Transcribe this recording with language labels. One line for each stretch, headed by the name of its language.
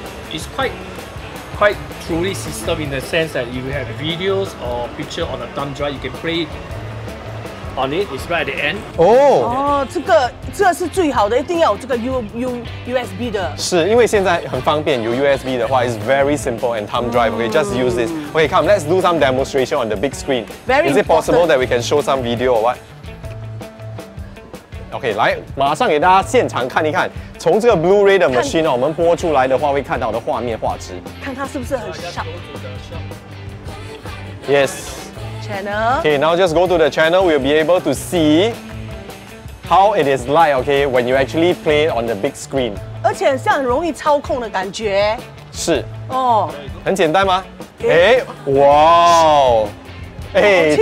English: It's quite truly system in the sense that you have videos or picture on a thumb drive, you can play it. On it, it's right at the end. Oh. Oh,
Chinese: 这个是最好的，一定要有这个 USB 的。是，因为现在很方便，有 USB 的话
English: ，it's very simple and thumb drive. Okay, just use this. Okay, come, let's do some demonstration on the big screen. Very. Is it possible that we can show some video or what?
Chinese: Okay, 来，马上给大家现场看一看，从这个 Blu-ray 的 machine 我们播出来的话，会看到的画面画质。看它是不是很像。
English: Yes. Channel. Okay, now just go to the channel. We'll be able to see how it is like. Okay, when you actually play it on the big screen.
Chinese: 而且像很容易操控的感觉。是。哦。很简单吗？哎，哇！哎，